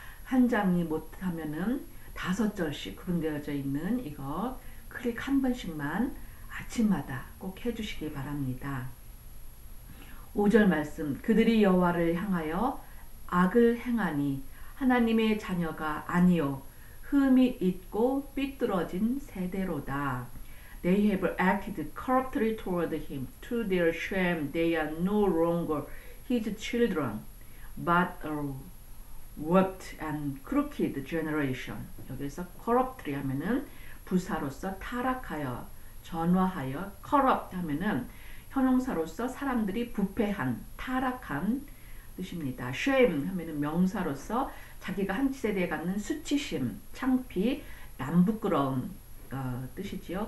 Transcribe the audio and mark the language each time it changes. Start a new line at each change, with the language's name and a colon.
Korean: 한 장이 못하면은 다섯 절씩 구분되어져 있는 이거 클릭 한 번씩만 아침마다 꼭 해주시기 바랍니다. 5절 말씀, 그들이 여호와를 향하여 악을 행하니 하나님의 자녀가 아니요 흠이 있고 삐뚤어진 세대로다.
English: They have acted corruptly toward him. To their shame, they are no longer his children, but a warped and crooked generation.
Korean: 여기서 corruptly 하면은 부사로서 타락하여, 전화하여, corrupt 하면은 형용사로서 사람들이 부패한, 타락한 뜻입니다. shame 하면은 명사로서 자기가 한 세대에 갖는 수치심, 창피, 남부끄러운 뜻이지요.